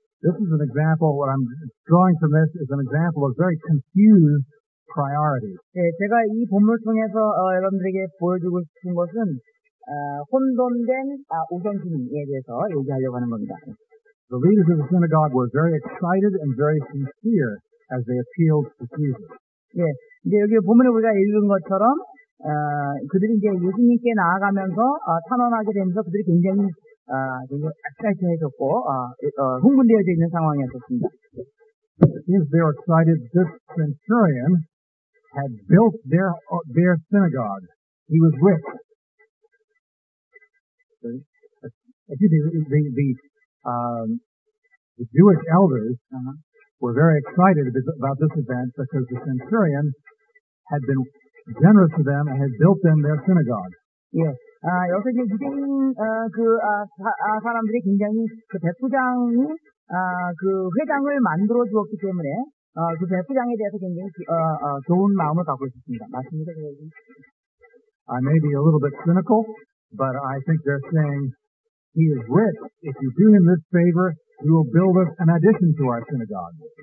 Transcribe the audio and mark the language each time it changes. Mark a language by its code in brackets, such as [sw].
[en] This is an example, what I'm drawing from this is an example of very confused priorities. [ko] 네, 제가 이 본문을 통해서 여러분들에게 보여주고 싶은 것은 혼돈된 우선순위에 대해서 얘기하려고 하는 겁니다. [en] The leaders of the synagogue were very excited and very sincere as they appealed to Jesus. [ko] 예, 이제 여기 본문을 우리가 읽은 것처럼 그들이 이제 예수님께 나아가면서 탄원하게 되면서 그들이 굉장히 굉장히 excited해졌고 흥분되어져 있는 상황이었습니다. [en] Since they were excited, this centurion had built their synagogue. He was rich. The Jewish elders were very excited about this event because the centurion had been generous to them and had built them their synagogue. Yes. [ko] 여기서 이제 유대인 사람들이 굉장히 그 백부장이 그 회장을 만들어 주었기 때문에 그 백부장에 대해서 굉장히 좋은 마음을 갖고 있습니다. 맞습니다. [en] I may be a little bit cynical. But I think they're saying he is rich. If you do him this favor, he will build us an addition to our synagogue.